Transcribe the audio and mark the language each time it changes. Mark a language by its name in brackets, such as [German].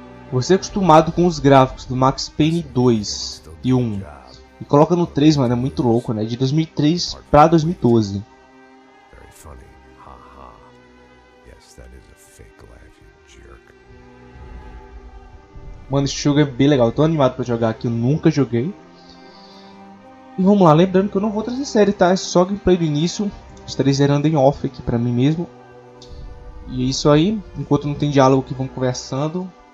[Portuguese] Você é acostumado com os gráficos do Max Payne 2 e 1 e coloca no 3, mano, é muito louco, né? De 2003 para 2012. [English] Very funny. Haha. Yes, that is a fake laugh, you jerk. [Portuguese] Mano, esse jogo é bem legal. Eu tô animado para jogar aqui, eu nunca joguei. E vamos lá, lembrando que eu não vou trazer série, tá? É só gameplay do início. Estarei zerando em off aqui pra mim mesmo. E é isso aí. Enquanto não tem diálogo aqui, vamos conversando.